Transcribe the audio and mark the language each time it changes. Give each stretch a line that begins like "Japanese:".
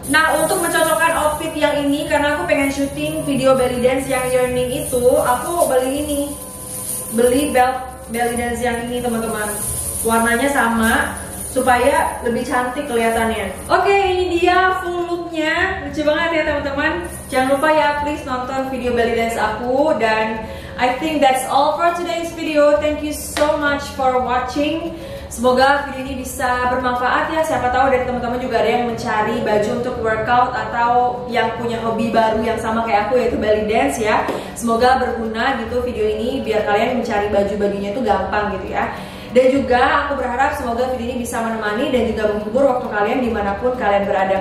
Indonesian: Nah, untuk mencocokkan outfit yang ini, karena aku pengen syuting video belly dance yang yearning itu, aku beli ini, beli belt belly dance yang ini teman-teman. Warnanya sama, supaya lebih cantik kelihatannya. Oke, ini dia full looknya. Lucu banget ya teman-teman. Jangan lupa ya please nonton video belly dance aku.
English: Dan I think that's all for today's video. Thank you so much for watching.
Indonesian: Semoga video ini bisa bermanfaat ya. Siapa tahu dari teman-teman juga ada yang mencari baju untuk workout atau yang punya hobi baru yang sama kayak aku, yaitu belly dance ya. Semoga berguna gitu video ini, biar kalian mencari baju-bajunya itu gampang gitu ya. Dan juga aku berharap semoga video ini bisa menemani dan juga menghibur waktu kalian dimanapun kalian berada.